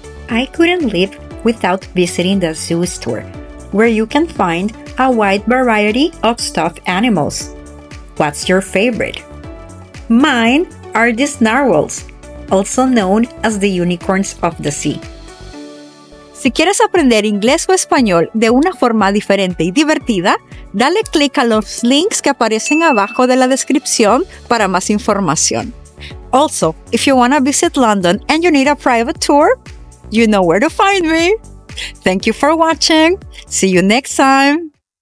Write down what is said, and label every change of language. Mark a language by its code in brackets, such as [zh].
[en] I couldn't live without visiting the zoo store, where you can find a wide variety of stuffed animals. What's your favorite? Mine are these narwhals, also known as the unicorns of the sea. [es] Si quieres aprender inglés o español de una forma diferente y divertida, dale click a los links que aparecen abajo de la descripción para más información. [en] Also, if you want to visit London and you need a private tour, you know where to find me. Thank you for watching. See you next time.